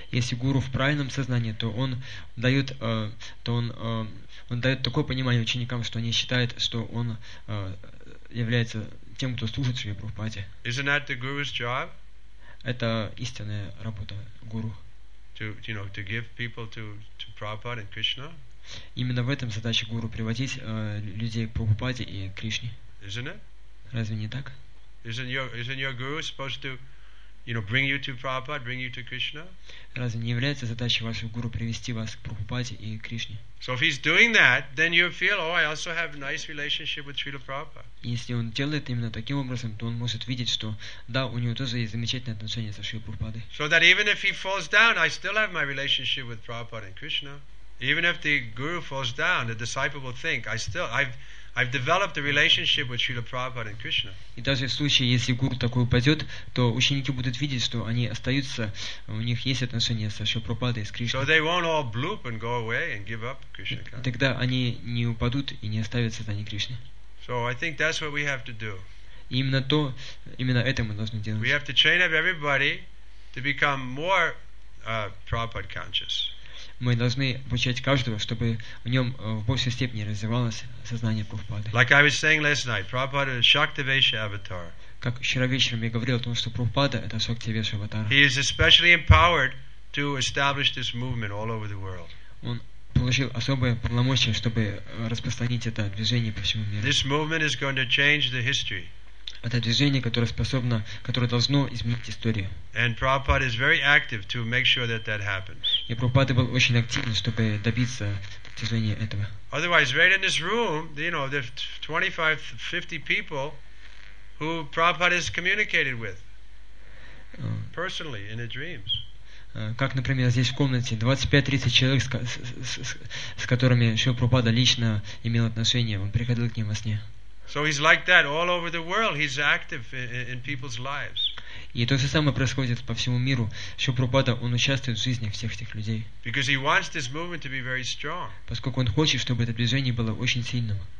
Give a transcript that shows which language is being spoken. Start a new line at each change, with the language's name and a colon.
Russian: Если гуру в правильном сознании, то он дает, он дает такое понимание ученикам, что они считают, что он является тем, кто служит Шри Прабхупаде.
English: Isn't that the guru's job?
Russian: Это истинная работа гуру.
English: To give people to Prabhupada and Krishna.
Russian: Именно в этом задача гуру приводить людей к Прабхупаде и Кришне.
English: Isn't it?
Russian: Разве не так?
English: Isn't your guru supposed to bring you to Prabhupada, bring you to Krishna?
Russian: Разве не является задачей вашего гуру привести вас к Прабхупаде и Кришне?
English: So if he's doing that, then you feel, oh, I also have a nice relationship with Srila Prabhupada.
Russian: Если он делает именно таким образом, то он может видеть, что да, у него тоже есть замечательные отношения со Шрилой Прабхупадой.
English: So that even if he falls down, I still have my relationship with Prabhupada and Krishna. Even if the guru falls down, the disciple will think, I've developed a relationship with Srila Prabhupada and Krishna.
Russian: И даже в случае, если гуру такой упадет, то ученики будут видеть, что они остаются, у них есть отношения со Шрила Прабхупадой и с Кришной.
English: So they won't all bloop and go away and give up Krishna.
Russian: Тогда они не упадут и не оставят сознание Кришны.
English: So I think that's what we have to do.
Russian: Именно то, именно это мы должны делать.
English: We have to train up everybody to become more Prabhupada conscious.
Russian: Мы должны обучать каждого, чтобы в нем в большей степени развивалось сознание Прабхупады.
English: Like I was saying last night, Prabhupada is Shaktivesha avatar.
Russian: Как вчера вечером я говорил о том, что Прабхупада это Шактивеша аватар.
English: He is especially empowered to establish this movement all over the world.
Russian: Он получил особое полномочие, чтобы распространить это движение по всему миру.
English: This movement is going to change the history.
Russian: Это движение, которое способно, которое должно изменить историю.
English: And Prabhupada is very active to make sure that that happens.
Russian: И Прабхупада был очень активен, чтобы добиться достижения этого.
English: Otherwise, right in this room, there's 25-50 people who Prabhupada has communicated with personally in his dreams.
Russian: Как, например, здесь в комнате 25-30 человек, с которыми Шрила Прабхупада лично имел отношение, он приходил к ним во сне.
English: So he's like that all over the world. He's active in people's lives.
Russian: И то же самое происходит по всему миру. Шрила Прабхупада, он участвует в жизни всех этих людей.
English: Because he wants this movement to be very strong.
Russian: Поскольку он хочет, чтобы это движение было очень сильным.